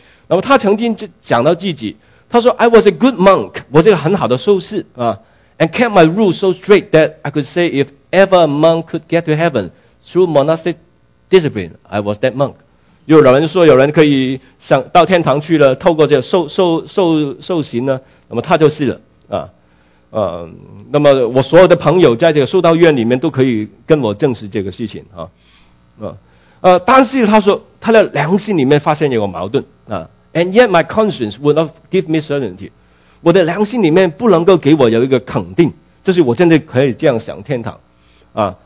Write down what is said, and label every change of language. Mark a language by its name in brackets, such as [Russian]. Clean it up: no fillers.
[Chinese] 那么他曾经讲到自己，他说 [English] I was a good monk， [Chinese] 我是一个很好的修士啊， [English] and kept my rules so straight that I could say if ever a monk could get to heaven through monastic discipline. I was that monk. [Chinese] 有人说有人可以上到天堂去了，透过这受刑呢，那么他就是了啊。那么我所有的朋友在这个修道院里面都可以跟我证实这个事情啊。但是他说他的良心里面发现有个矛盾啊。 [English] And yet my conscience would not give me certainty. [Chinese] 我的良心里面不能够给我有一个肯定，就是我真的可以这样想天堂啊。